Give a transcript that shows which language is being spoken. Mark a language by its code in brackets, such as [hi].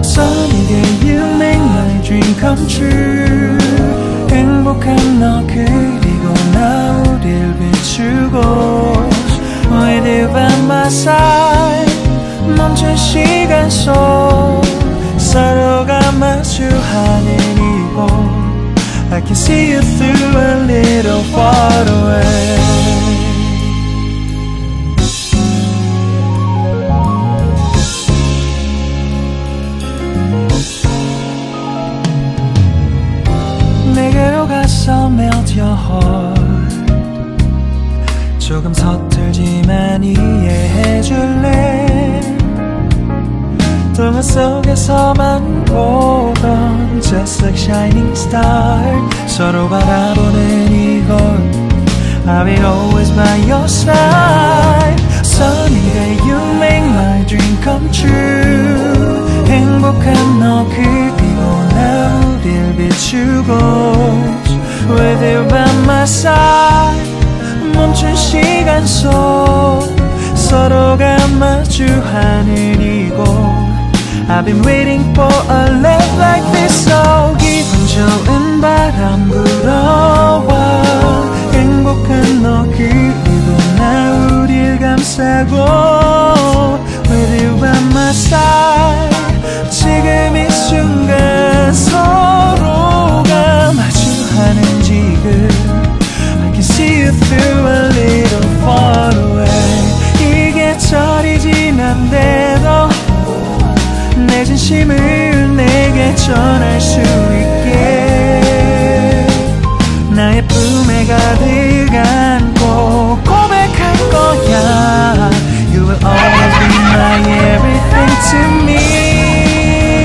[en] Sunny day you make my dream come true. [ko] 행복한 너 그리고 나 우릴 비추고. [en] With you by my side. [ko] 멈춘 시간 속 서로가 마주하는 이곳. [en] I can see you through a little far away. [ko] 내게로 가서 [en] melt your heart. [ko] 조금 서툴지만 이해해줄래. 동화 속에서만 보던 [en] Just like shining star. [ko] 서로 바라보는 이곳. [en] I'll be always by your side. Sunny day you make my dream come true. [ko] 행복한 너 그리고 나 우릴 비추고. [en] With you by my side. [ko] 멈춘 시간 속 서로가 마주하는 이곳. [en] I've been waiting for a love like this. So [ko] 기분 좋은 바람 불어와. 행복한 너 그리고 나 우릴 감싸고. [en] With you by my side. [ko] 지금 이 순간 서로가 마주하는 지금. [en] I can see you through a little far away. [ko] 이 계절이 지난대도 내 진심을 내게 전할 수 있게. 나의 품에 가득 안고 고백할 거야. [en] You will always be my everything to me.